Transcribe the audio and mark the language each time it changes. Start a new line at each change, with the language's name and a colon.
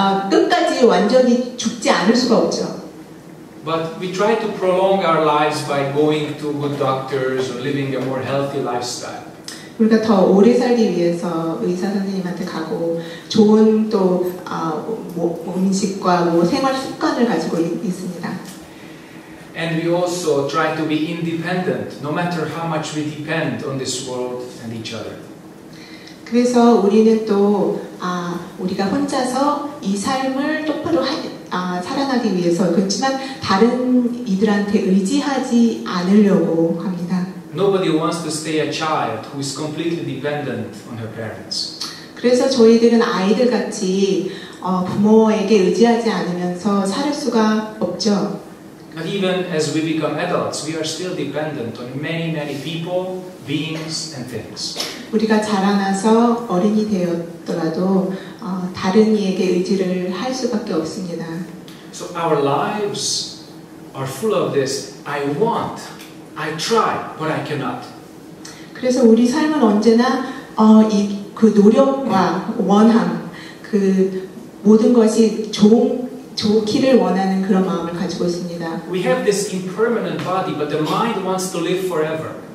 Korean: 끝까지 완전히 죽지 않을 수가 없죠.
English: But we try to prolong our lives by going to good doctors or living a more healthy lifestyle.
Korean: 우리가 더 오래 살기 위해서 의사 선생님한테 가고 좋은 또 음식과 뭐 생활 습관을 가지고 있습니다.
English: And we also try to be independent, no matter how much we depend on this world and each other.
Korean: 그래서 우리는 또 우리가 혼자서 이 삶을 똑바로 살아나기 위해서 그렇지만 다른 이들한테 의지하지 않으려고 합니다.
English: Nobody wants to stay a child who is completely dependent on her parents.
Korean: 그래서 저희들은 아이들 같이 부모에게 의지하지 않으면서 살 수가 없죠.
English: But even as we become adults, we are still dependent on many, many people, beings, and things.
Korean: 우리가 자라나서 어른이 되었더라도 다른 이에게 의지를 할 수밖에 없습니다.
English: So our lives are full of this. I want, I try, but I cannot.
Korean: 그래서 우리 삶은 언제나 그 노력과 원함, 그 모든 것이 좋기를 원하는 그런 마음을 가지고 있습니다.
English: We have this impermanent body, but the mind wants to live forever.